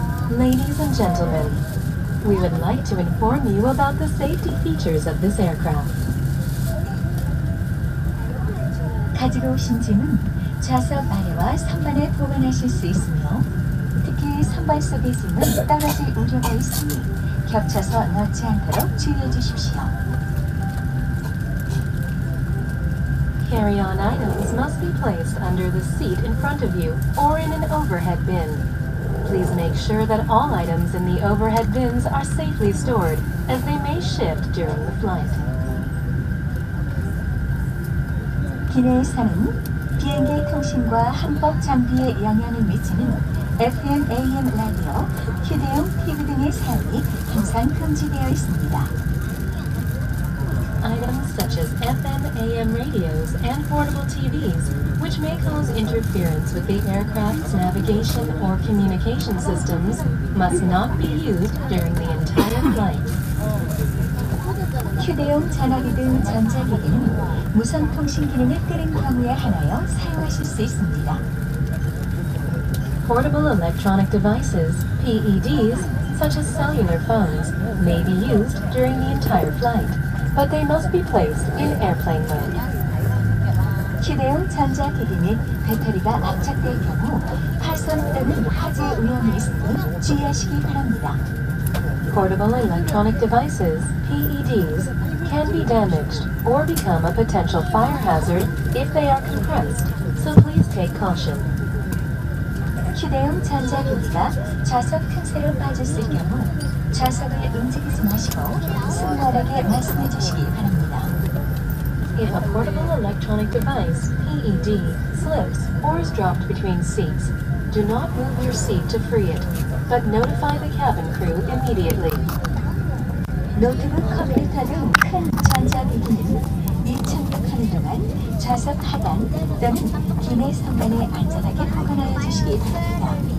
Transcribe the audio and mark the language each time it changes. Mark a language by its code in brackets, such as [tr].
[en] Ladies and gentlemen, we would like to inform you about the safety features of this aircraft. [ko] 가지고 오신 짐은 좌석 아래와 선반에 보관하실 수 있으며, 특히 선반 속의 짐은 떨어질 우려가 있으니 겹쳐서 넣지 않도록 주의해 주십시오. [en] Carry-on items must be placed under the seat in front of you or in an overhead bin. Please make sure that all items in the overhead bins are safely stored, as they may shift during the flight. [ko] 기내에서는 비행기 통신과 항법 장비에 영향을 미치는 FM, AM 라디오, 휴대용 TV 등의 사용이 항상 금지되어 있습니다. [en] Items such as FM, AM radios and portable TVs, which may cause interference with the aircraft's navigation or communication systems, must not be used during the entire flight. [ko] 휴대용 전화기 등 전자기기는 무선 통신 기능을 끄는 경우에 하나여 사용하실 수 있습니다. [en] Portable electronic devices, PEDs, such as cellular phones, may be used during the entire flight. But they must be placed in airplane mode. [ko] 휴대용 전자기기는 배터리가 압착될 경우 파손 또는 화재 위험이 있으니 주의하시기 바랍니다. [en] Portable electronic devices, PEDs, can be damaged or become a potential fire hazard if they are compressed, so please take caution. [ko] 휴대용 전자기기가 좌석 틈새로 빠졌을 경우 좌석을 움직이지 마시고 승무원에게 말씀해 주시기 바랍니다. [en] If a portable electronic device, PED, slips or is dropped between seats, do not move your seat to free it, but notify the cabin crew immediately. [ko] 노트북 컴퓨터 등 큰 전자기기는 이착륙하는 동안 좌석 하단 또는 기내 선반에 안전하게 보관하여 주시기 바랍니다.